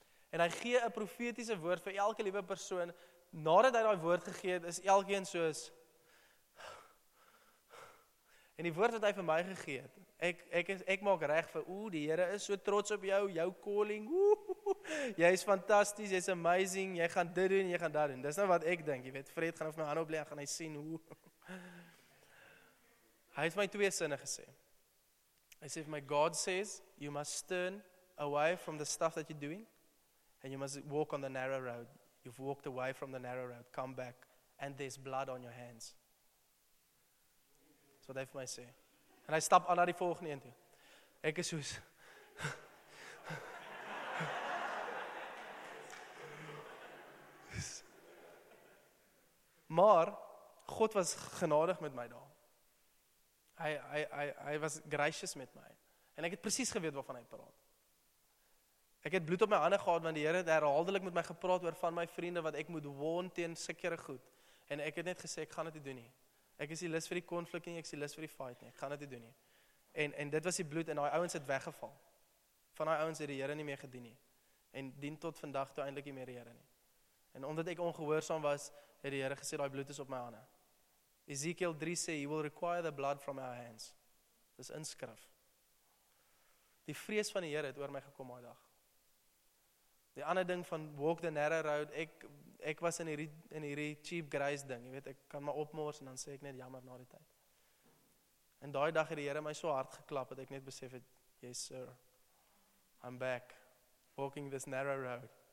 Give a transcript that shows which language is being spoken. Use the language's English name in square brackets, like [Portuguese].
[Afrikaans] En hy gee 'n profetiese woord vir elke liewe persoon. Nadat hy daai woord gegee het, is elkeen soos En die woord wat hy vir my gegee het, ek maak reg vir, die Here is so trots op jou, jou calling, jy is fantasties, jy is amazing, jy gaan dit doen, jy gaan dat doen. Dis nou wat ek denk, jy weet, Fred gaan op my hand opleg, gaan hy sien, Hy het my twee sinne gesê. Hy sê, [English] my God says, you must turn away from the stuff that you're doing, and you must walk on the narrow road. You've walked away from the narrow road, come back, and there's blood on your hands. [Afrikaans] Wat hy vir my sê. En hy stap aan na die volgende een toe. Ek is soos. Maar, God was genadig met my daar. Hy was gracious met my. En ek het precies geweet waarvan hy praat. Ek het bloed op my hande gehad, want die Here het herhaaldelik met my gepraat oor van my vriende, wat ek moet woon teen sekere goed. En ek het net gesê, ek gaan dit nie doen nie. Ek is die lus vir die konflik nie, ek is die lus vir die fight nie, ek gaan dit nie doen nie. En dit was die bloed, en die ouens het weggeval. Van die ouens het die Here nie meer gedien nie. En dien tot vandag toe eindelijk nie meer die Here nie. En omdat ek ongehoorsaam was, het die Here gesê, die bloed is op my hande. [English] Ezekiel 3 sê, He will require the blood from our hands. [Afrikaans] Dis inskrif. Die vrees van die Here het oor my gekom my dag. Die ander ding van [English] walk the narrow road, [Afrikaans] ek was in hierdie cheap grace ding, jy weet, ek kan maar opmoors en dan sê ek net jammer na die tyd. En daai dag het die Here my so hard geklap, dat ek net besef het, [English] yes sir, I'm back, walking this narrow road.